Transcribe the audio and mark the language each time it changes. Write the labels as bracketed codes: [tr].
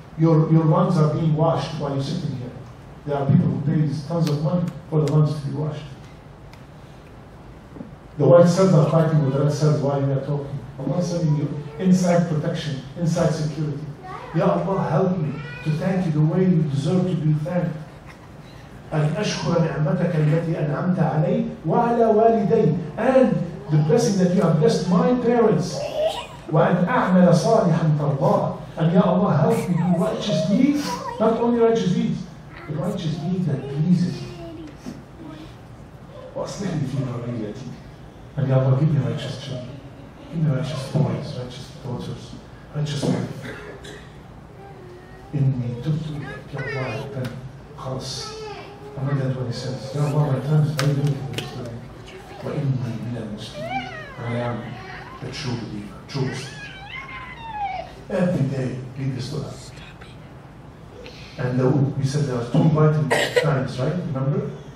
[en] Your lungs are being washed while you're sitting here. There are people who pay tons of money for the lungs to be washed. The white cells are fighting with the red cells while we are talking. Allah is sending you inside protection, inside security. Ya Allah, help me to thank you the way you deserve to be thanked. [ar] أشكر نعمتك التي أنعمت علي وعلى والدي. [en] And the blessing that you have blessed my parents. [ar] وأن أعمل صالحا ترضاه. [en] And Ya Allah, help me do righteous deeds, not only righteous deeds, the righteous deeds that pleases you. [ar] وأصلح لي في ذريتي. [en] And Ya Allah, give me righteous children. Give me righteous boys, righteous daughters, righteous men. [ar] إني تبت إليك يا الله عبدا خلاص. [en] And then what he says, Ya Allah, my time is very beautiful this day. [ar] وإني من المسلمين. [en] I am a true believer, true Muslim. Every day, read this to us. And Lahu, we said there are two vital times, right? Remember?